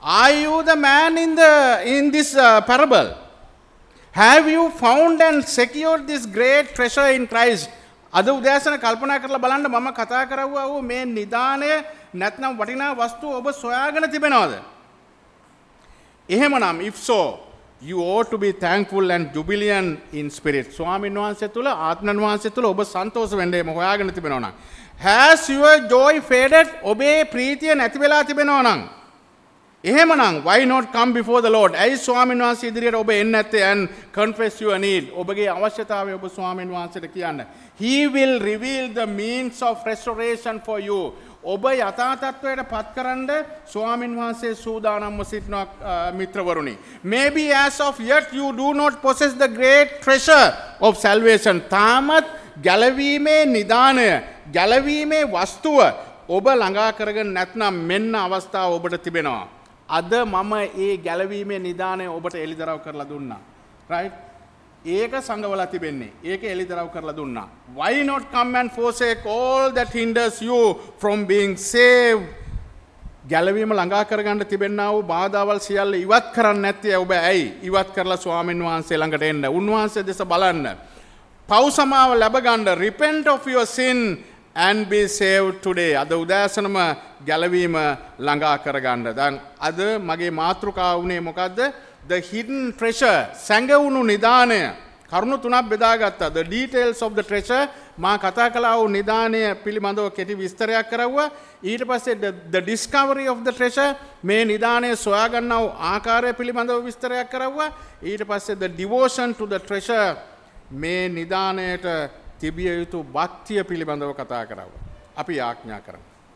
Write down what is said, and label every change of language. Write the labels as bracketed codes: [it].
[en] are you the man in this parable have you found and secured this great treasure in Christ? [si] අද උදෑසන කල්පනා කරලා බලන්න මම කතා කරවුවා වූ මේ නිදානේ නැත්නම් වටිනා වස්තුව ඔබ සොයාගෙන තිබෙනවද? එහෙමනම් [en] if so you ought to be thankful and jubilant in spirit. [si] ස්වාමීන් වහන්සේ තුල ආත්මන් වහන්සේ තුල ඔබ සන්තෝෂ වෙන්නේ මො හොයාගෙන තිබෙනවා නම්. [en] Has your joy faded? [si] ඔබේ ප්‍රීතිය නැති වෙලා තිබෙනවා නම්. එහෙමනම් [en] why not come before the Lord? [si] ඇයි ස්වාමීන් වහන්සේ ඉදිරියට ඔබ එන්නේ නැත්තේ? [en] And confess your need. [si] ඔබගේ අවශ්‍යතාවය ඔබ ස්වාමීන් වහන්සේට කියන්න. [en] He will reveal the means of restoration for you. [si] ඔබ යථාතත්වයට පත්කරනද ස්වාමීන් වහන්සේ සූදානම්ව සිටිනවා මිත්‍රවරුනි. [en] Maybe as of yet you do not possess the great treasure of salvation. [si] තාමත් ගැලවීමේ නිදාණය, ගැලවීමේ වස්තුව ඔබ ළඟා කරගෙන නැත්නම් මෙන්න අවස්ථාව ඔබට තිබෙනවා. අද මම ඒ ගැලවීමේ නිදාණය ඔබට එළිදරව් කරලා දුන්නා. Right? ඒක සංගවල තිබෙන්නේ. ඒක එළිදරව් කරලා දුන්නා. [en] Why not come and forsake all that hinders you from being saved? [si] ගැලවීම ළඟා කරගන්න තිබෙනා වූ බාධාවල් සියල්ල ඉවත් කරන්නේ නැත්තේ ඔබ ඇයි? ඉවත් කරලා ස්වාමීන් වහන්සේ ළඟට එන්න. උන්වහන්සේ දෙස බලන්න. පව් සමාව ලැබගන්න. [en] Repent of your sin and be saved today. [si] අද උදෑසනම ගැලවීම ළඟා කරගන්න. දැන් අද මගේ මාතෘකාව උනේ මොකද්ද? [en] The hidden treasure, [si] සැඟවුණු නිදාණය. කරුණු තුනක් බෙදාගත්තා. [en] The details of the treasure, [si] මා කතා කළා වූ නිදාණය පිළිබඳව කෙටි විස්තරයක් කරවුවා. ඊට පස්සේ [en] the discovery of the treasure, [si] මේ නිදාණය සොයා ගන්නා වූ ආකාරය පිළිබඳව විස්තරයක් කරවුවා. ඊට පස්සේ [en] the devotion to the treasure, [si] මේ නිදාණයට තිබිය යුතු භක්තිය පිළිබඳව කතා කරවුවා. අපි ආඥා කරමු.